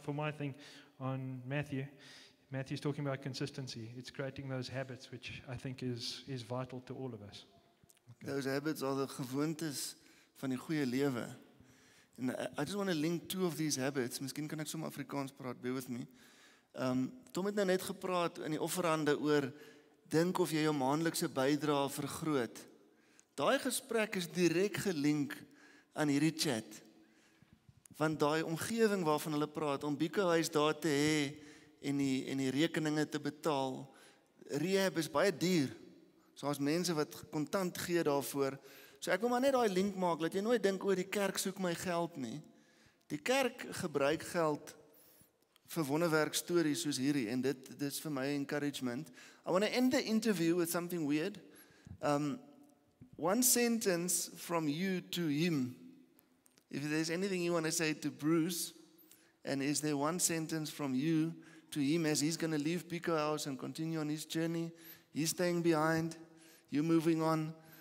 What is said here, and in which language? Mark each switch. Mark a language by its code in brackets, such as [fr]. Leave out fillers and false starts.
[en] My thing on Matthew's talking about consistency. It's creating those habits, which I think is vital to all of us. Okay. Those habits are the [af] gewoontes van die goeie lewe. [en] And I just want to link two of these habits. [af] Miskien kan ek som Afrikaans praat, [en] bear with me. [af] Tom het nou net gepraat in die offerande oor dink of jy jou maandelikse bydrae vergroot. Daai gesprek is direk gelink aan hierdie chat. Want daai omgewing waarvan hulle praat, om biekehuis daar te hê en die rekeninge te betaal, rehab is baie duur. So as mense wat kontant gee daarvoor. So ek wil maar net daai link maak, dat jy nooit dink, die kerk soek my geld nie. Die kerk gebruik geld vir wonderwerk stories soos hierdie, en dit is vir my encouragement. [en] I want to end the interview with something weird. One sentence from you to him. If there's anything you want to say to Bruce, and is there one sentence from you to him as he's going to leave Pico House and continue on his journey, he's staying behind, you're moving on.